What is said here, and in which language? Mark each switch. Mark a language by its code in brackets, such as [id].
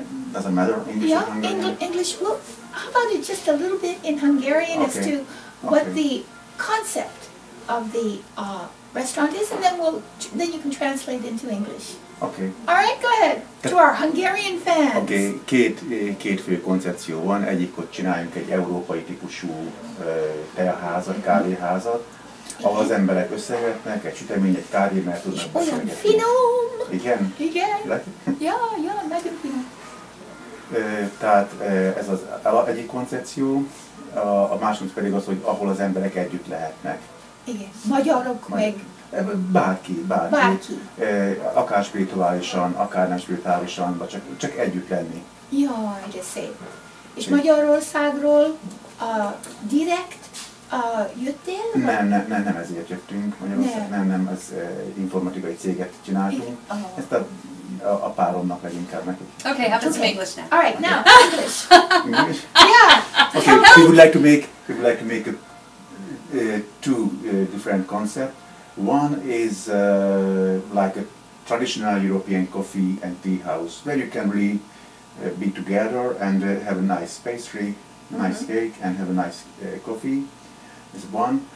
[en] Doesn't matter, English or Hungarian? Yeah, English. Well, how about it just a little bit in Hungarian as to what the concept of the restaurant is, and then you can translate into English. Okay. All right, go ahead to our Hungarian fans. [hu] Okay, két fő koncepció van. Egyikot csináljunk egy európai típusú teaházat, kávéházat, ahol az emberek összejöhetnek, egy sütemény, egy kávé, mert tudnak beszélgetni. Olyan finom! Igen? Igen. Ja, nagyon finom. Tehát ez az egyik koncepció, a másik pedig az, hogy ahol az emberek együtt lehetnek. Igen, magyarok meg... Bárki. Akár spirituálisan, akár nem spirituálisan, vagy csak együtt lenni. Jaj, de szép. És Magyarországról direkt jöttél? Nem, ezért jöttünk Magyarországon. Nem, az informatikai céget csináltunk. Ezt a páromnak leginkább neki. [en] Okay, how about some English now? All right, now, English. English? Yeah. Okay, she would like to make two different concepts. One is like a traditional European coffee and tea house where you can really be together and have a nice pastry, nice cake, and have a nice coffee. Is one.